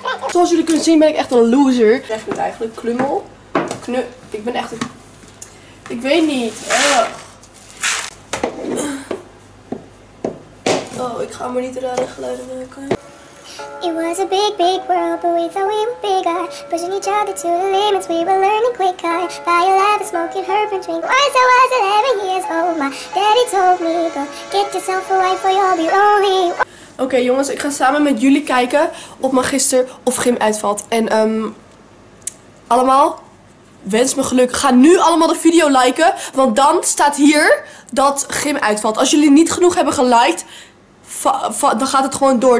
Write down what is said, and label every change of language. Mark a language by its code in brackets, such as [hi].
[nl] Zoals jullie kunnen zien ben ik echt een loser. Ik krijg het eigenlijk, klummel. Nee, ik ben echt... Ik weet niet. Oh, ik ga maar niet rare geluiden maken. [en] It was a big, big world, but we thought we were bigger. Pushing each other to the limits, we were learning quicker. By 11, smoking herb and drink once I was 11 years old. My daddy told me, go get yourself a wife or you'll be lonely. [nl] Oké, jongens, ik ga samen met jullie kijken op magister of gym uitvalt. En, allemaal... Wens me geluk. Ga nu allemaal de video liken. Want dan staat hier dat gym uitvalt. Als jullie niet genoeg hebben geliked, dan gaat het gewoon door.